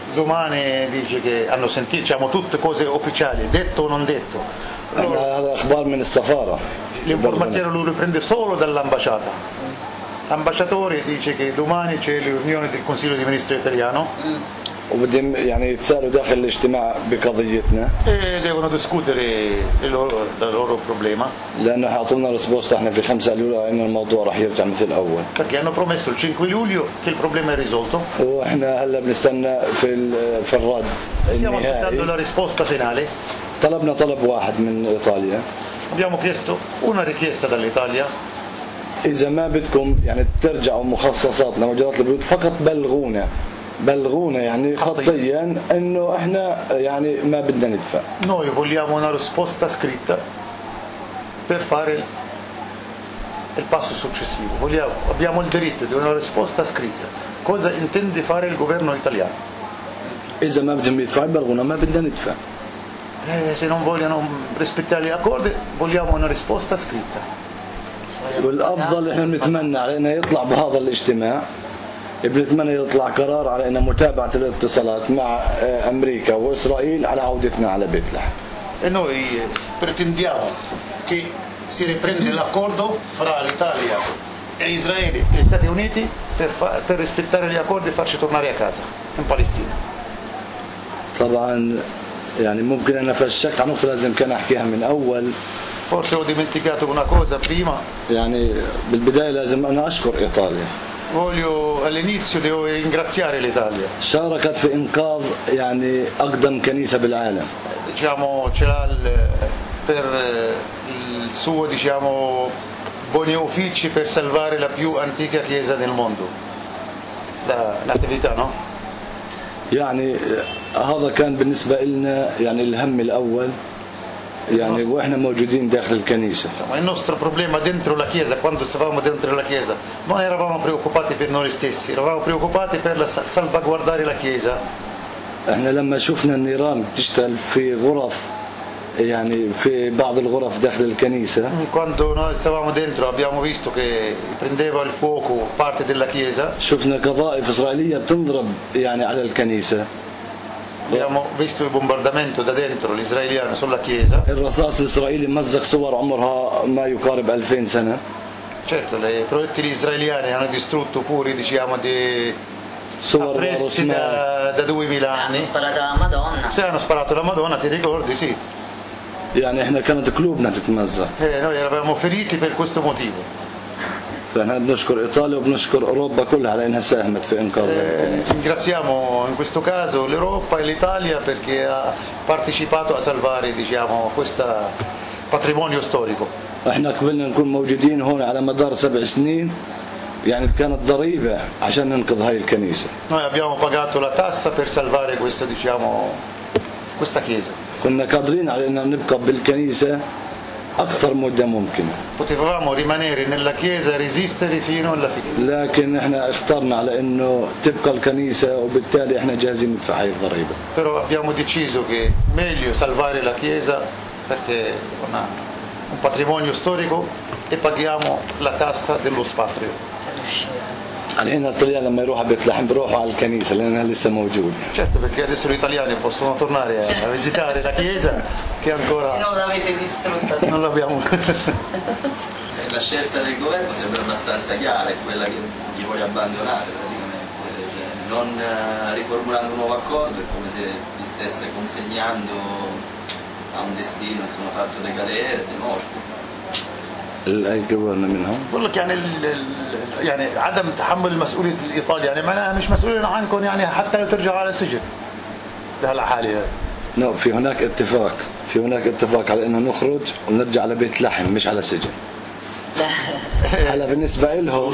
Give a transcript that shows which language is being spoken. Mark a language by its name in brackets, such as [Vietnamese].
[Italian] Domani dice che hanno sentito, diciamo tutte cose ufficiali, detto o non detto. [Arabic] هذا أخبار من السفارة. [Italian] L'informazione lo riprende solo dall'ambasciata. L'ambasciatore dice che domani c'è l'unione del Consiglio dei Ministri italiano. [Arabic] وبدي يعني يتسألوا داخل الاجتماع بقضيتنا. [Italian] E devono discutere il loro problema. [Arabic] لأنه حاطلنا الريسبونس احنا في 5 يوليو أن الموضوع راح يرجع مثل الأول. [Italian] Perché hanno promesso il 5 luglio che il problema è risolto. [Arabic] واحنا هلا بنستنى في الرد النهائي. [Italian] Stiamo aspettando la risposta finale. [Arabic] طلبنا طلب واحد من إيطاليا. [Italian] Abbiamo chiesto una richiesta dall'Italia. [Arabic] إذا ما بدكم يعني ترجعوا مخصصاتنا مجرات البيوت فقط بلغونا يعني خطيا انه احنا يعني ما بدنا ندفع. [Italian] Noi vogliamo una risposta scritta per fare il passo successivo. Abbiamo il diritto di una risposta scritta. Cosa intende fare il governo italiano? [Arabic] اذا ما بدهم يدفع بلغونا ما بدنا ندفع. [Italian] Se non vogliono rispettare gli accordi, vogliamo una risposta scritta. [Arabic] والافضل احنا نتمنى علينا يطلع بهذا الاجتماع بنتمنى يطلع قرار على ان متابعه الاتصالات مع امريكا واسرائيل على عودتنا على بيت لحم. [Italian] E noi pretendiamo che si riprenda l'accordo fra l'Italia e Israele e gli Stati Uniti per rispettare gli accordi e farci tornare a casa in Palestina. [Arabic] طبعا يعني ممكن انا فشكت عن نقطه لازم كان احكيها من اول. [Italian] Forse ho dimenticato una cosa prima. [Arabic] يعني بالبدايه لازم انا اشكر ايطاليا. [Italian] Voglio all'inizio devo ringraziare l'Italia. [Arabic] شاركت في انقاذ يعني اقدم كنيسه بالعالم. [Italian] Diciamo c'era per il suo, diciamo, buoni uffici per salvare la più antica chiesa del mondo. La natività, no? [Arabic] يعني هذا كان بالنسبة لنا يعني الهم الأول يعني وإحنا موجودين داخل الكنيسة. [Italian] ما النوستر بروبليما dentro la chiesa quando stavamo dentro la chiesa non eravamo preoccupati per noi stessi eravamo preoccupati per salvaguardare la chiesa. [Arabic] إحنا لما شفنا النيران تشتغل في غرف يعني في بعض الغرف داخل الكنيسة. [Italian] Quando noi stavamo dentro abbiamo visto che prendeva il fuoco parte della chiesa. [Arabic] شفنا قذائف إسرائيلية تنضرب يعني على الكنيسة. [Italian] Abbiamo visto il bombardamento da dentro l'israeliano sulla chiesa. [Arabic] الرصاص الإسرائيلي مزق صور عمرها ما يقارب 2000 سنة. [Italian] Certo, le proiettili israeliane hanno distrutto pure diciamo di affreschi da 2000 anni. Hanno sparato la Madonna. Se hanno sparato la Madonna ti ricordi sì. [Arabic] يعني احنا كانت قلوبنا تتمزق. [Italian] No, eravamo feriti per questo motivo. [Arabic] فاحنا بنشكر ايطاليا وبنشكر اوروبا كلها على انها ساهمت في انقاذ. [Italian] Ringraziamo in questo caso l'Europa e l'Italia perché ha partecipato a salvare diciamo questo patrimonio storico. [Arabic] احنا قبلنا نكون موجودين هون على مدار 7 سنين يعني كانت ضريبة عشان ننقذ هاي الكنيسة. [Italian] Noi abbiamo pagato la tassa per salvare questo diciamo questa chiesa. [Arabic] كنا قادرين على أن نبقى بالكنيسة أكثر مدة ممكنة. [Italian] Potevamo rimanere nella chiesa resistere fino alla fine. [Arabic] لكن إحنا اخترنا على إنه تبقى الكنيسة وبالتالي إحنا جاهزين ندفع هاي الضريبة. [Italian] Però abbiamo deciso che meglio salvare la chiesa perché una un patrimonio storico e paghiamo la tassa dello spatrio. [Arabic] علينا الطليان لما يروح بيت لحم بروحوا على الكنيسة لأنها لسه موجودة. [Italian] Certo perché adesso gli italiani possono tornare a visitare la chiesa che ancora non l'avete distrutta. Non l'abbiamo. La scelta del governo sembra abbastanza chiara, è quella che gli vuole abbandonare praticamente, cioè, non riformulando un nuovo accordo, è come se gli stesse consegnando a un destino insomma fatto di galere, di morte. [Arabic] اي جبرنا منهم والله كان يعني عدم تحمل مسؤولية الإيطالي يعني ما أنا مش مسؤولين عنكم يعني حتى لو ترجع على السجن بهالحالة نو في هناك اتفاق في هناك اتفاق على انه نخرج ونرجع على بيت لحم مش على سجن هلا بالنسبة لهم